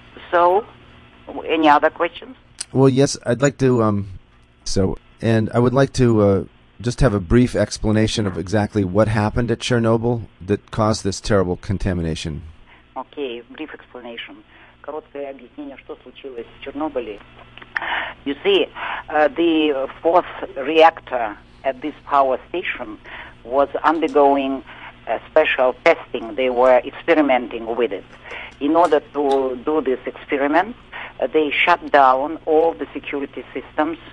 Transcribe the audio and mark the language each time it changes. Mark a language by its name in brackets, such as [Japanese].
[English] So, any other questions? Well, yes, I'd like to. And I would like to just have a brief explanation of exactly what happened at Chernobyl that caused this terrible contamination. Okay, brief explanation. [Russian] Короткое объяснение, что случилось в Чернобыле. [English] You see, the fourth reactor at this power station was undergoing special testing. They were experimenting with it. In order to do this experiment, they shut down all the security systems.